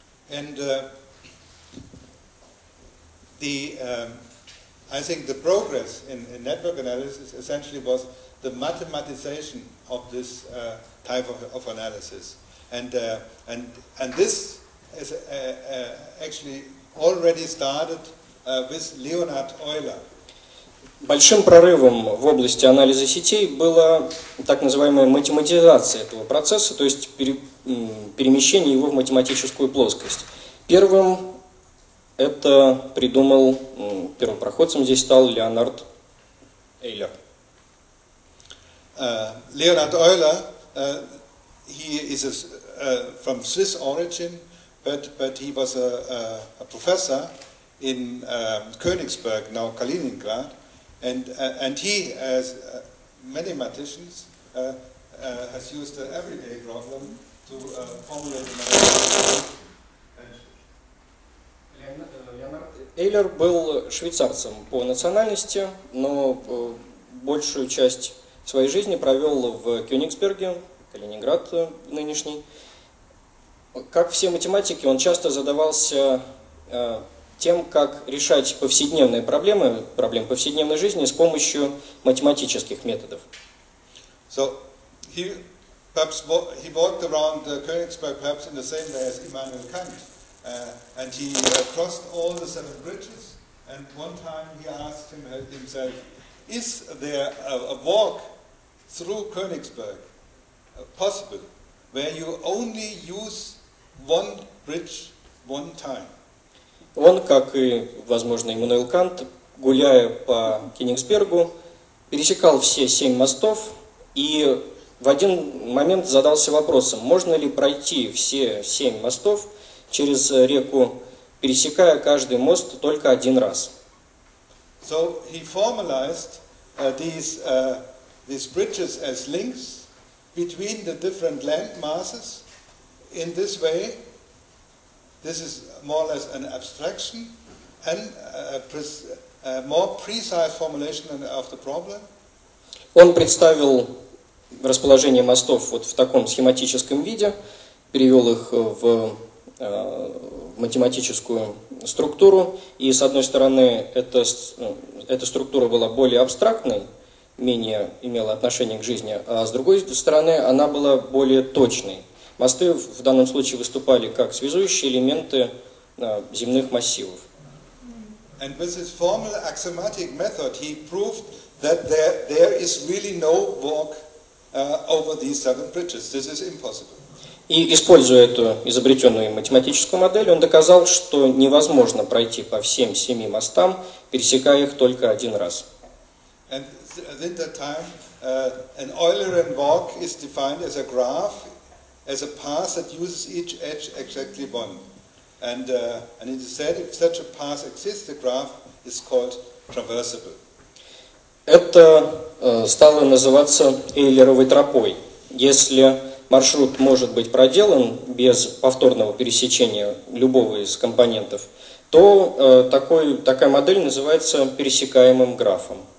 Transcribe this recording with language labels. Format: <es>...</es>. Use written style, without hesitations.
<en>And the I think the progress in network analysis essentially was the mathematization of this type of analysis. And and this is actually already started with Leonhard Euler.</en> <ru>Большим прорывом в области анализа сетей была так называемая математизация этого процесса, то есть перемещение его в математическую плоскость. Первым это придумал, первопроходцем здесь стал Леонард Эйлер.</ru> <en>Леонард Эйлер, he is from Swiss origin, but he was a professor in Königsberg, now Kaliningrad. And he, as many mathematicians, has used the everyday problem to formulate an analysis.</en> <ru>Эйлер был швейцарцем по национальности, но большую часть своей жизни провел в Кёнигсберге, Калининград нынешний. Как все математики, он часто задавался тем, как решать повседневные проблемы, проблемы повседневной жизни с помощью математических методов.</ru> <en>So he perhaps he walked around Königsberg perhaps in the same way as Immanuel Kant, and he crossed all the seven bridges. And one time he asked himself, is there a walk through Königsberg possible, where you only use one bridge one time?</en> <ru>Он, как и, возможно, Иммануил Кант, гуляя по Кёнигсбергу, пересекал все семь мостов и в один момент задался вопросом, можно ли пройти все семь мостов через реку, пересекая каждый мост только один раз.</ru> <en>So he formalized these bridges as links between the different land masses in this way. This is more or less an abstraction and a more precise formulation of the problem.</en> <ru>Он представил расположение мостов вот в таком схематическом виде, перевел их в математическую структуру, и с одной стороны эта структура была более абстрактной, менее имела отношение к жизни, а с другой стороны она была более точной. Мосты в данном случае выступали как связующие элементы земных массивов.</ru> <en>And with his formal axiomatic method, he proved that there is really no walk over these seven bridges. This is impossible.</en> <ru>И используя эту изобретенную математическую модель, он доказал, что невозможно пройти по всем семи мостам, пересекая их только один раз.</ru> <en>And at that time, an Eulerian walk is defined as a graph, as a path that uses each edge exactly one. And it is said if such a path exists, the graph is called traversable.</en> <ru>Это стало называться Эйлеровой тропой. Если маршрут может быть проделан без повторного пересечения любого из компонентов, то такая модель называется пересекаемым графом.</ru>